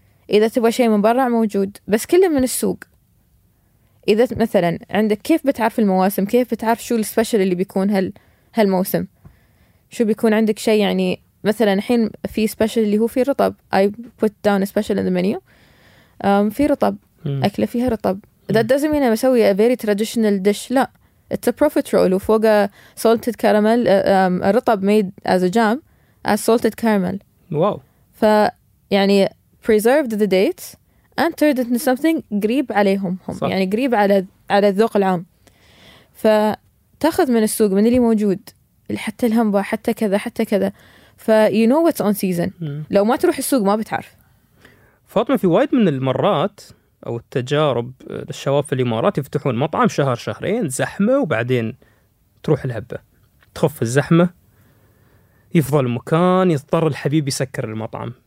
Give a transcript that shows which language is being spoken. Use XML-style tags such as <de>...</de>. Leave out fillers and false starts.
<ar>إذا تبغى شيء من برا موجود بس كله من السوق. إذا مثلا عندك كيف بتعرف المواسم كيف بتعرف شو السبيشل اللي بيكون هالموسم شو بيكون عندك شيء يعني مثلا الحين في سبيشل اللي هو في رطب</ar> <en>I put down a special in the menu</en> <ar>في رطب أكله فيها رطب</ar> <en>that doesn't mean I'm</en> <ar>بسوي</ar> <en>a very traditional dish</en> <ar>لا</ar> <en>it's a profit roll</en> <ar>وفوقه salted caramel رطب</ar> <en>made as a jam as salted caramel wow.</en> <ar>فيعني</ar> <en>preserved the dates and turned it into something</en> <ar>قريب عليهم هم صح. يعني قريب على الذوق العام فتأخذ من السوق من اللي موجود حتى الهمبا حتى كذا حتى كذا ف</ar> <en>you know what's on season</en> <ar>لو ما تروح السوق ما بتعرف. فاطمة في وايد من المرات أو التجارب الشباب في الإمارات يفتحون مطعم شهر شهرين زحمة وبعدين تروح الهبة تخف الزحمة يفضل المكان يضطر الحبيب يسكر المطعم.</ar>